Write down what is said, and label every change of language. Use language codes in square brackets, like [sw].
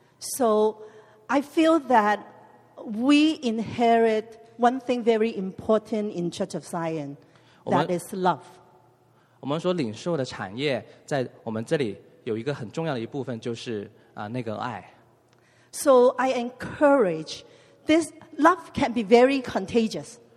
[en] So I feel that we inherit one thing very important in Church of Zion, that is love. [zh] 我们所领受的产业，在我们这里有一个很重要的一部分，就是那个爱。 [en] So I encourage this love can be very contagious.